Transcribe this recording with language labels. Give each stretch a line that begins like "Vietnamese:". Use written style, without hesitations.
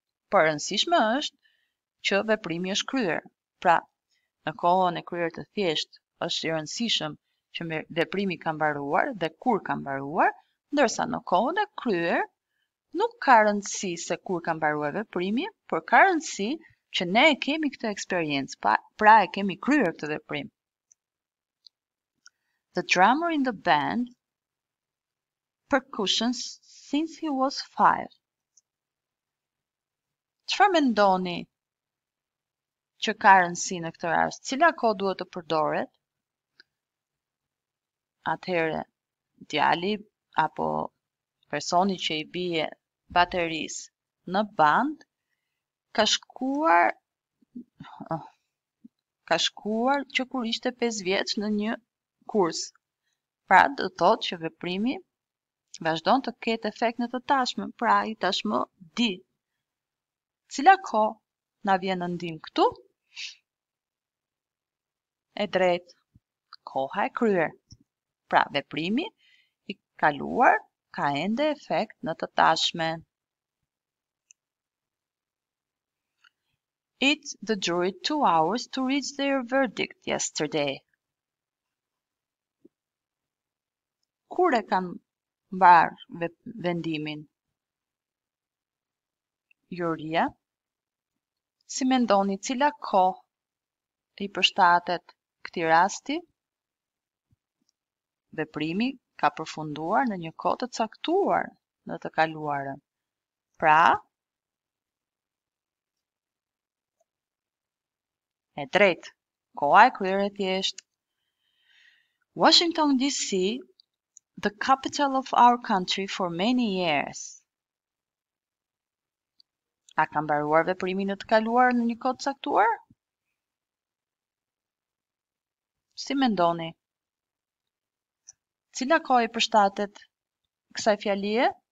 Albanian: Por rëndësishme është që veprimi është kryer. Pra, në kohën e kryer të thjesht, është i rëndësishëm që veprimi ka mbaruar dhe kur ka mbaruar, ndërsa në kohën e kryer, nuk ka rëndësi se kur ka mbaruar veprimi, por ka rëndësi që ne e kemi këtë eksperiencë, pra e kemi kryer këtë veprim.
English: The drummer in the band percussions since he was 5.
Albanian: Çfarë mendoni që ka rëndësi në këtë rast? Cila kohë duhet të përdoret? Atëherë, djali apo personi që i bie baterisë në band ka shkuar që kur ishte 5 vjeç në një kurs. Pra, do thotë që veprimi vazhdon të ketë efekt në të tashmë, pra i tashmë di. Cila kohë na vjen në ndihmë këtu? E drejtë, koha e kryer. Pra, veprimi i kaluar ka ende efekt në të tashmë.
English: It the jury 2 hours to reach their verdict yesterday.
Albanian: Kur e kanë mbar vendimin? Juria, si mendoni cila kohë i përshtatet këtij rasti? Veprimi ka përfunduar në një kohë të caktuar në të kaluarën. Pra, e drejtë, koha e kryer e thjeshtë.
English: Washington DC, the capital of our country for many years.
Albanian: A ka mbaruar veprimi në të kaluar në një kohë të caktuar? Si mendoni? Cila kohë i përshtatet kësaj fjalie?